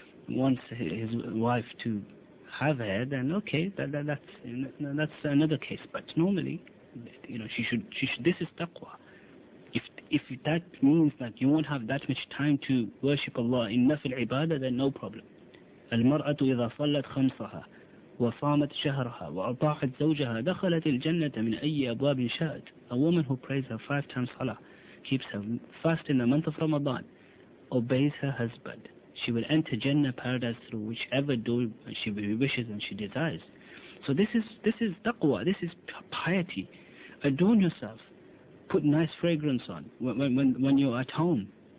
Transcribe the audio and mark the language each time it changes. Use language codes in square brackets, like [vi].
[en] wants his wife to have her, then okay, that's another case. But normally, you know, she should. This is taqwa. If that means that you won't have that much time to worship Allah in nafil ibadah, then no problem. [ar] المرأة إذا صلت خمسها وصامت شهرها وأطاعت زوجها دخلت الجنة من أي أبواب شاءت. [en] A woman who prays her five times salah, keeps her fast in the month of Ramadan, obeys her husband, she will enter Jannah, paradise, through whichever door she wishes and she desires. So this is taqwa, this is piety. Adorn yourself, put nice fragrance on when you're at home.